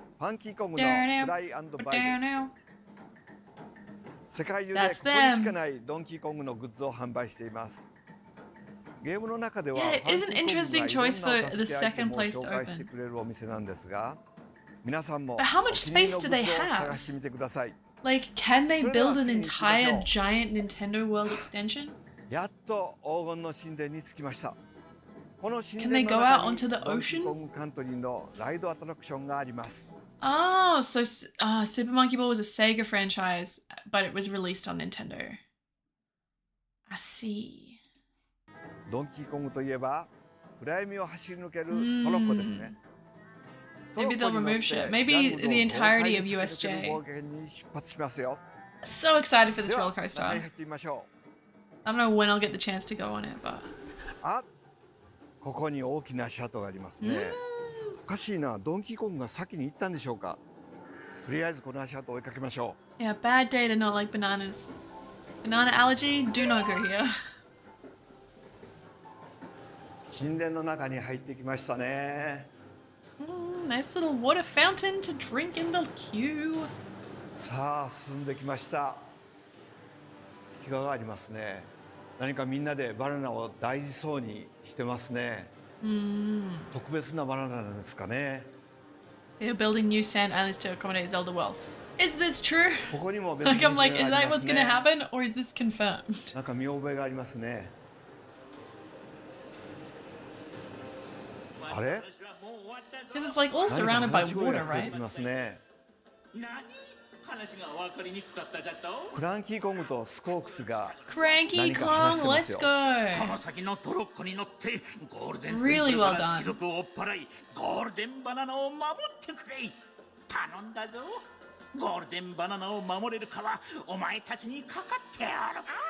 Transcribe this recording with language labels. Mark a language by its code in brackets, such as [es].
[ja] ファンキーコングのフライ&バイです。世界中でここにしかないドンキーコングのグッズを販売しています。ゲームの中ではファンキーコングがいろんな助け合いを紹介してくれるお店なんですが、皆さんもお気に入りのグッズを探してみてください。 [en] Like, can they build an entire giant Nintendo World extension? [ja] やっと黄金の神殿に着きました。この神殿の中にドンキーコングカントリーのライドアトラクションがあります。 [en] Oh, so Super Monkey Ball was a Sega franchise, but it was released on Nintendo. I see. [ja] Donkey Kong といえば、暗闇を走り抜けるトロッコですね。 [en] Maybe they'll remove shit. Maybe the entirety of USJ. [ja] 冒険に出発しますよ。 [en] So excited for this roller coaster. [ja] では、入ってみましょう。 [en] I don't know when I'll get the chance to go on it, but. [ja] あ、ここに大きな足跡がありますね。おかしいな、ドンキーコングが先に行ったんでしょうか。とりあえずこの足跡を追いかけましょう。 [en] Yeah, bad day to not like bananas. Banana allergy? Do not go here. [ja] 神殿の中に入ってきましたね。 [en] Nice little water fountain to drink in the queue. [ja] さあ、進んできました。壁画がありますね。何かみんなでバナナを大事そうにしてますね。特別なバナナなんですかね。 [en] They're building new sand islands to accommodate Zelda world. Is this true? [ja] ここにも別に [en] I'm like, is that what's going to happen? Or is this confirmed? [ja] なんか見覚えがありますね。あれ？ [en] Because it's like all surrounded by water, right? [ja] 何話が分かりにくかったじゃと？クランキーコングとスコークスが何か話してますよ。 [en] クランキーコング、let's go! [ja] この先のトロッコに乗ってゴールデンテンプルから貴族を追っ払いゴールデンバナナを守ってくれ頼んだぞゴールデンバナナを守れるかはお前たちにかかってやる